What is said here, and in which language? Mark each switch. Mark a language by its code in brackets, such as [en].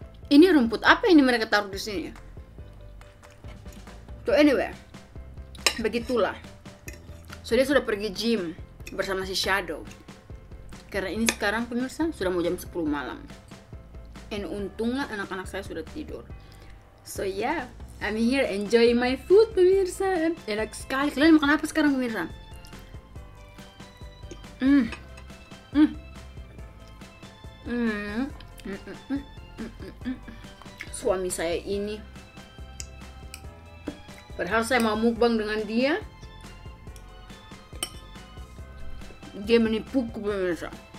[id] Ini rumput apa ini mereka taruh di sini? So anyway, begitulah. So dia sudah pergi gym bersama si Shadow. Karena ini sekarang pemirsa sudah mau jam 10 malam. And untunglah anak-anak saya sudah tidur. [en] So yeah, I'm here enjoying my food pemirsa. [id] Enak sekali. Kalian makan apa sekarang pemirsa? Suami saya ini, padahal saya mau mukbang dengan dia, dia menipuku pemirsa.